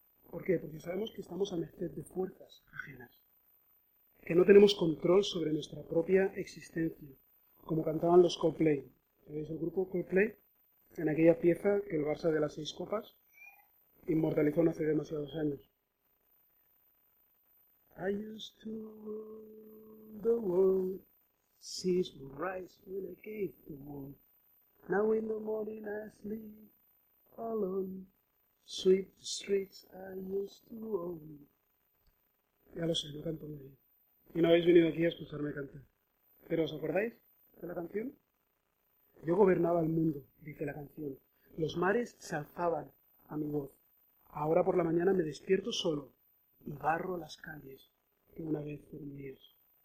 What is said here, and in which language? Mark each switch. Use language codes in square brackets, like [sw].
[es] ¿Por qué? Porque sabemos que estamos a merced de fuerzas ajenas, que no tenemos control sobre nuestra propia existencia, como cantaban los Coldplay. ¿Sabéis el grupo Coldplay? En aquella pieza que el Barça de las seis copas inmortalizó no hace demasiados años. [en] I used to rule the world, seas would rise when I gave the word. Now in the morning I sleep alone, sweep the streets I used to roam. [es] Ya lo sé, yo canto muy bien. Y no habéis venido aquí a escucharme cantar. ¿Pero os acordáis de la canción? Yo gobernaba el mundo, dice la canción. Los mares se alzaban a mi voz. Ahora por la mañana me despierto solo y barro las calles que una vez fueron mías.